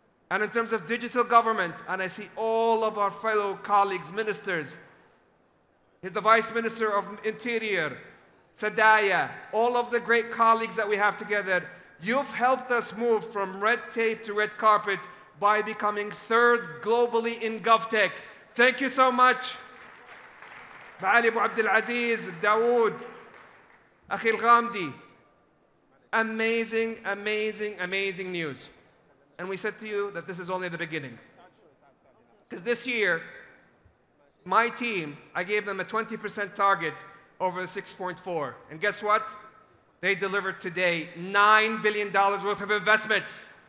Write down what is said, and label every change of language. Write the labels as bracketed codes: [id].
[en] And in terms of digital government, and I see all of our fellow colleagues, ministers, the Vice Minister of Interior, Sadaya, all of the great colleagues that we have together, you've helped us move from red tape to red carpet by becoming third globally in GovTech. Thank you so much. [ar] معالي أبو عبد العزيز داود أخي الغامدي. [en] Amazing, amazing, amazing news. And we said to you that this is only the beginning. Because this year, my team, I gave them a 20% target over 6.4. And guess what? They delivered today $9 billion worth of investments.